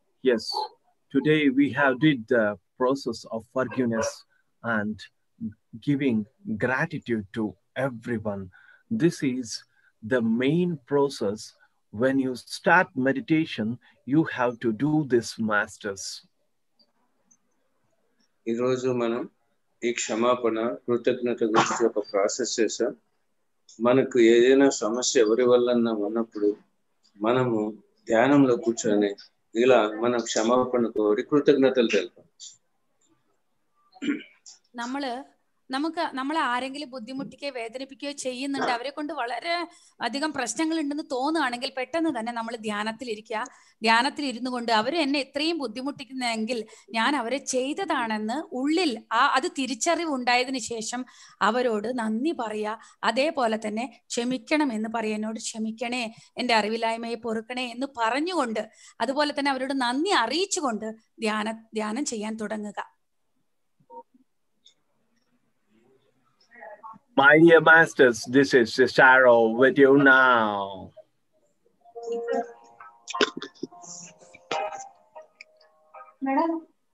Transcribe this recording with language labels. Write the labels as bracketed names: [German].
[English] Yes, today we have did the process of forgiveness and giving gratitude to everyone. This is the main process. When you start meditation, you have to do this, masters. [Telugu] Iroju manam. ఈ క్షమాపణ కృతజ్ఞత గురించి ఒక process చేసాం. మనకు ఏదైనా సమస్య ఎవరి వల్లన్నా ఉన్నప్పుడు మనము ధ్యానంలో కూర్చొని ఇలా మన క్షమాపణ కోరి కృతజ్ఞతలు తెలుపాం. [Malayalam] നമുക്ക് നമ്മളെ ആരെങ്കിലും ബുദ്ധിമുട്ടിക്കുകയോ വേദനിപ്പിക്കുകയോ ചെയ്യുന്നുണ്ട്, അവരെ കൊണ്ട് വളരെ അധികം പ്രശ്നങ്ങൾ ഉണ്ടെന്ന് തോന്നുകയാണെങ്കിൽ പെട്ടെന്ന് തന്നെ നമ്മൾ ധ്യാനത്തിലിരിക്കുക. ധ്യാനത്തിലിരുന്നു കൊണ്ട് അവർ എന്നെ ഇത്രയും ബുദ്ധിമുട്ടിക്കുന്നതെങ്കിൽ ഞാൻ അവരെ ചെയ്തതാണെന്ന് ഉള്ളിൽ ആ അത് തിരിച്ചറിവ് ഉണ്ടായതിന് ശേഷം അവരോട് നന്ദി പറയുക. അതേപോലെ തന്നെ ക്ഷമിക്കണം എന്ന് പറയുക, എന്നോട് ക്ഷമിക്കണേ, എൻ്റെ അറിവില്ലായ്മയെ പൊറുക്കണേ എന്ന് പറഞ്ഞുകൊണ്ട് അതുപോലെ തന്നെ അവരോട് നന്ദി അറിയിച്ചുകൊണ്ട് ധ്യാനം ചെയ്യാൻ തുടങ്ങുക. [English] My dear masters, this is Sharo with you now. Madam.